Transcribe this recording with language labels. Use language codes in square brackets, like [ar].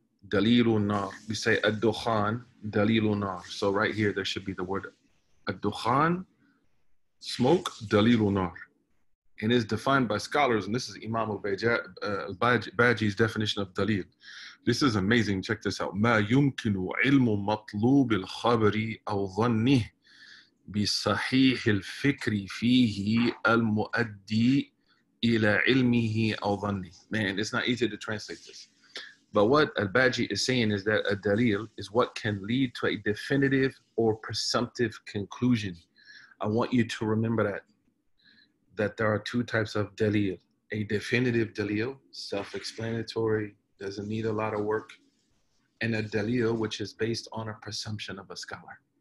[en] Dalilun nar. We say ad-dukhan, dalilun nar. So right here, there should be the word ad-dukhan, smoke, dalilun nar. And is defined by scholars, and this is Imam al-Baji's definition of dalil. This is amazing. Check this out. [ar] ما يمكن علم مطلوب الخبر أو ظنه بصحيح الفكر فيه المؤدي إلى علمه أو ظنه. [en] Man, it's not easy to translate this. But what al-Baji is saying is that a dalil is what can lead to a definitive or presumptive conclusion. I want you to remember that there are two types of dalil. A definitive dalil, self-explanatory, doesn't need a lot of work, and a dalil which is based on a presumption of a scholar.